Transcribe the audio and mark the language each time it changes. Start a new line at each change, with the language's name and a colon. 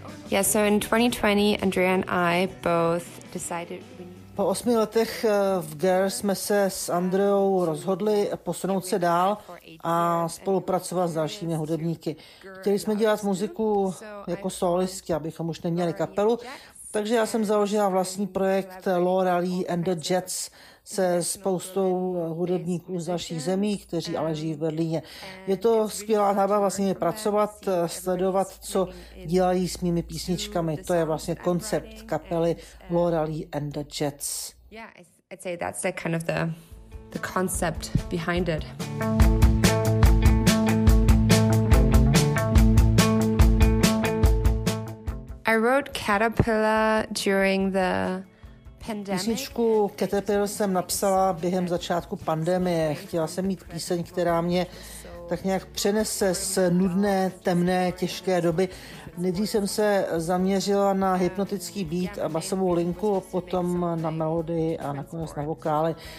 English: Yeah, so in 2020, Andrea and I both decided we...
Czech: Po 8 letech v Girl jsme se s Andreou rozhodli posunout se dál a spolupracovat s dalšími hudebníky. Chtěli jsme dělat muziku jako solisti, abychom už neměli kapelu, takže já jsem založila vlastní projekt Laura Lee and the Jets se spoustou hudebníků z dalších zemí, kteří ale žijí v Berlíně. Je to skvělá zábava vlastně pracovat, sledovat, co dělají s mými písničkami. To je vlastně koncept kapely Laura Lee and the Jets.
English: Yeah, I'd say that's like kind of the concept behind it. I wrote Caterpillar during the
Czech: písničku Caterpillar jsem napsala během začátku pandemie. Chtěla jsem mít píseň, která mě tak nějak přenese z nudné, temné, těžké doby. Nejdřív jsem se zaměřila na hypnotický beat a basovou linku, a potom na melodii a nakonec na vokály.